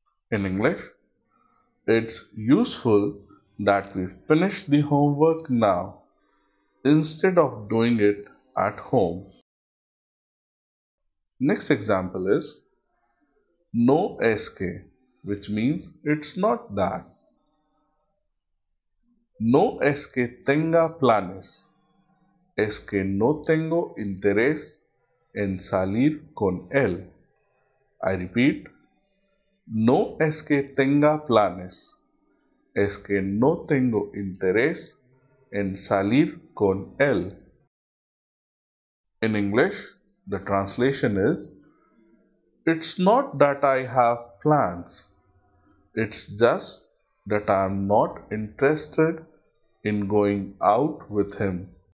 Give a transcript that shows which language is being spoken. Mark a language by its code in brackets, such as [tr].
[en] In English, it's useful that we finish the homework now instead of doing it at home. Next example is [es] no es que, [en] which means it's not that. [es] No es que tenga planes. Es que no tengo interés en salir con él. [en] I repeat. [es] No es que tenga planes. Es que no tengo interés en salir con él. [en] In English, the translation is, it's not that I have plans. It's just that I'm not interested in going out with him.